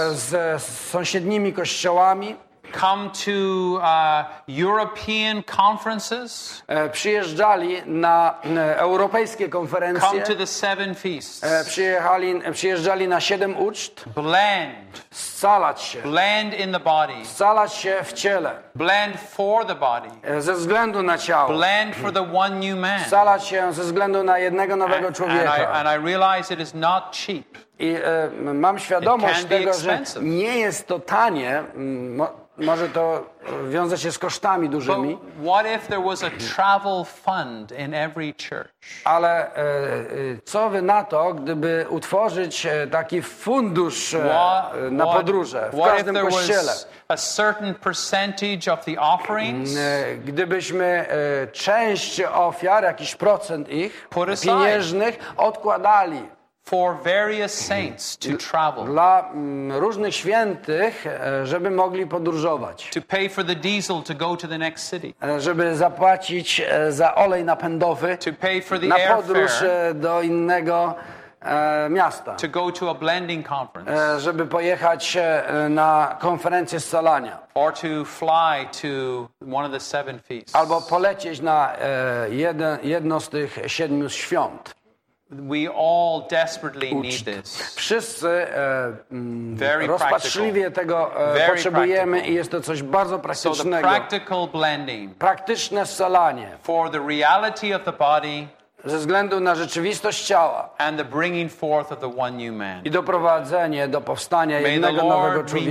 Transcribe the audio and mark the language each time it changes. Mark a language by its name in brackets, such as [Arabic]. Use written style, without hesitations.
[Polish] z sąsiednimi kościołami. [English] Come to European conferences. [Polish] Przyjeżdżali na europejskie konferencje. [English] Come to the seven feasts. [Polish] Przyjeżdżali na siedem uczt. [English] Blend. [Polish] Scalać się. [English] Blend in the body. [Polish] Scalać się w ciele. [English] Blend for the body. [Polish] Ze względu na ciało. [English] Blend for the one new man. [Polish] Scalać się ze względu na jednego nowego człowieka. [English] And I realize it is not cheap. [Polish] I mam świadomość tego, że nie jest to tanie. Może to wiąże się z kosztami dużymi. [English] But what if there was a travel fund in every church? [Polish] Ale co wy na to, gdyby utworzyć taki fundusz na podróże w każdym kościele? [English] A certain percentage of the offerings? [Polish] Gdybyśmy część ofiar, jakiś procent ich pieniężnych odkładali [English] for various saints to travel. [Polish] Dla różnych świętych, żeby mogli podróżować. [English] To pay for the diesel to go to the next city. [Polish] Żeby zapłacić za olej napędowy. [English] To pay for the [Polish] na podróż do innego miasta. [English] To go to a blending conference. [Polish] Żeby pojechać na konferencję scalania. [English] Or to fly to one of the seven feasts. [Polish] Albo polecieć na jedno z tych siedmiu świąt. [English] We all desperately need this. [Polish] Wszyscy rozpaczliwie tego potrzebujemy i jest to coś bardzo praktycznego. [English] So the practical blending. [Polish] Praktyczne scalanie. [English] For the reality of the body. [Polish] Ze względu na rzeczywistość ciała. [English] And the bringing forth of the one new man. [Polish] I doprowadzenie do powstania jednego nowego człowieka.